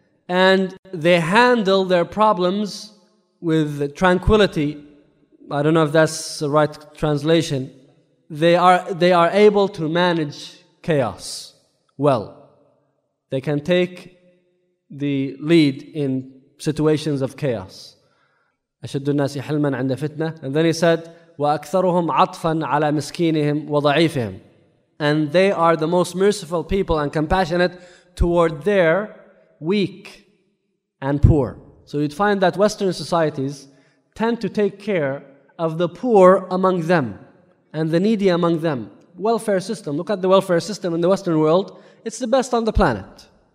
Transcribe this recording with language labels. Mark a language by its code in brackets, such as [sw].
[en] And they handle their problems with tranquility. I don't know if that's the right translation. They are able to manage chaos well. They can take the lead in situations of chaos. [ar] أشد الناس حلما عند فتنة. [en] And then he said, [ar] وأكثرهم عطفا على مسكينهم وضعيفهم. [en] And they are the most merciful people and compassionate toward their weak and poor. So you'd find that Western societies tend to take care of the poor among them and the needy among them. Welfare system, look at the welfare system in the Western world, it's the best on the planet.